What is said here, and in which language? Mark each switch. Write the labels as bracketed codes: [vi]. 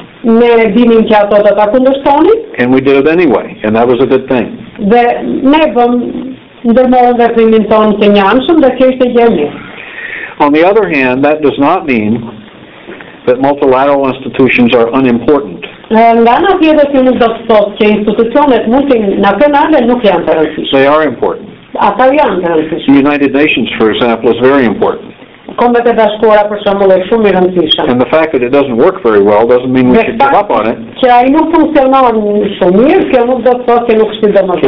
[sq] Ne dinim që ato do ta kundërshtonin. [en] And we did it anyway, and that was a good thing. [sq] Dhe ne vëm ndërmorëm veprimin tonë të njëanshëm dhe kjo ishte gjë e mirë. [en] On the other hand, that does not mean that multilateral institutions are unimportant. [sq] Nga ana tjetër, kjo nuk do të thotë që institucionet multinacionale nuk janë të rëndësishme. [en] They are important. [sq] Ata janë të rëndësishme. [en] The United Nations, for example, is very important. [sq] Kombet e bashkuara për shembull është shumë e rëndësishme. [en] And the fact that it doesn't work very well doesn't mean we should give up on it. [sq] Që ai nuk funksionon shumë mirë, kjo nuk do të thotë se nuk është domosdoshmë.